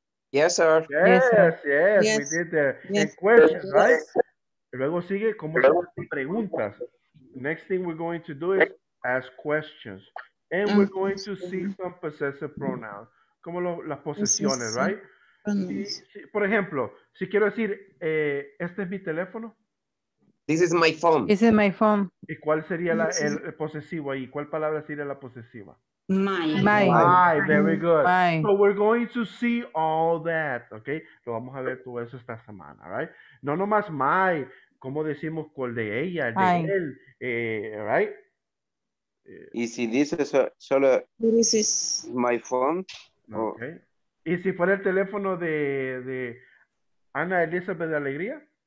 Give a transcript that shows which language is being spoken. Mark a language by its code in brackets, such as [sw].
[en] Yes, sir. Yes, yes, sir. Yes, we did the questions, right? [es] Y luego sigue cómo se hacen preguntas. [en] Next thing we're going to do is ask questions. And we're going to see some possessive pronouns. [es] Como las posesiones, right? Por ejemplo, si quiero decir, este es mi teléfono. [en] This is my phone. This is my phone. [es] ¿Y cuál sería el posesivo ahí? ¿Cuál palabra sería la posesiva? [en] My. Very good. So we're going to see all that, okay? [es] Lo vamos a ver todo eso esta semana, right? No nomás my, ¿cómo decimos cuál de ella, de él, right? Y si dice solo [en] this is my phone. Okay. [es] ¿Y si fuera el teléfono de Ana Elizabeth de Alegría?